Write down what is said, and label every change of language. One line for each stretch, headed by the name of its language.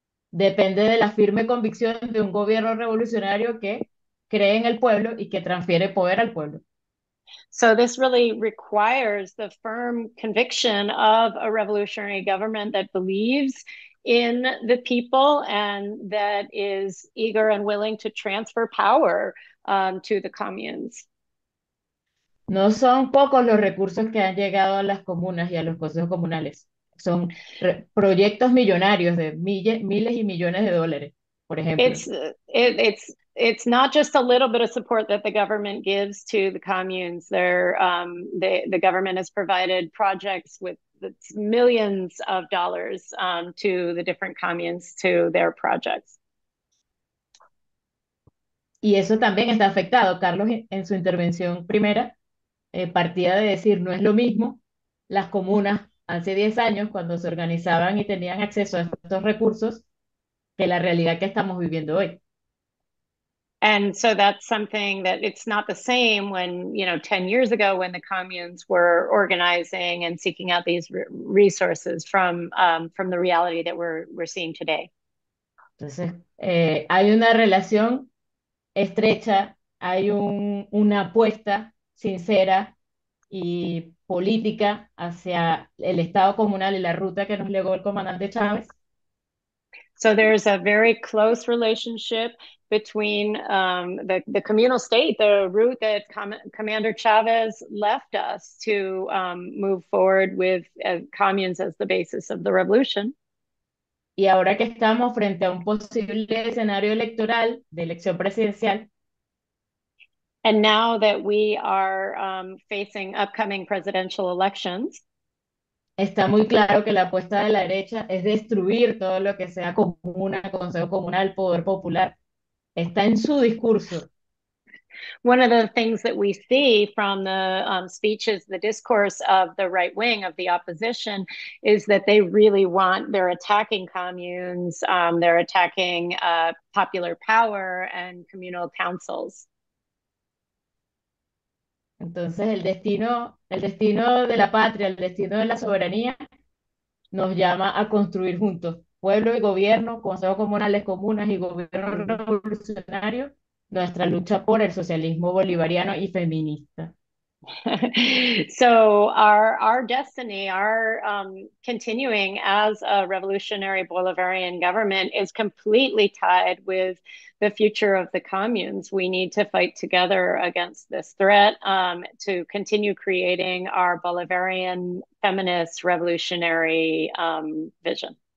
Spanish: Depende de la firme convicción de un gobierno revolucionario que cree en el pueblo y que transfiere poder al pueblo.
English: So this really requires the firm conviction of a revolutionary government that believes in the people and that is eager and willing to transfer power to the communes.
Spanish: No son pocos los recursos que han llegado a las comunas y a los consejos comunales. Son proyectos millonarios de miles y millones de dólares, por ejemplo.
English: It's not just a little bit of support that the government gives to the communes. The government has provided projects with millions of dollars to the different communes, to their projects.
Spanish: Y eso también está afectado. Carlos, en su intervención primera, partía de decir, no es lo mismo las comunas hace 10 años cuando se organizaban y tenían acceso a estos recursos que la realidad que estamos viviendo hoy.
English: And so that's something that it's not the same when, you know, 10 years ago when the communes were organizing and seeking out these resources from the reality that we're seeing today.
Spanish: Entonces, hay una relación estrecha, hay una apuesta sincera y política hacia el Estado comunal y la ruta que nos legó el comandante Chávez.
English: So there's a very close relationship between the communal state, the route that Commander Chavez left us to move forward with communes as the basis of the revolution.
Spanish: Y ahora que estamos frente a un posible escenario electoral de elección presidencial.
English: And now that we are facing upcoming presidential elections.
Spanish: Está muy claro que la apuesta de la derecha es destruir todo lo que sea comuna, consejo comunal, poder popular. Está en su discurso.
English: One of the things that we see from the speeches, the discourse of the right wing, of the opposition, is that they really want, they're attacking communes, they're attacking popular power and communal councils.
Spanish: Entonces, el destino de la patria, el destino de la soberanía, nos llama a construir juntos. Pueblo y gobierno, consejos comunales, comunas y gobierno revolucionario, nuestra lucha por el socialismo bolivariano y feminista.
English: So our destiny, our continuing as a revolutionary Bolivarian government is completely tied with the future of the communes. We need to fight together against this threat to continue creating our Bolivarian feminist revolutionary vision.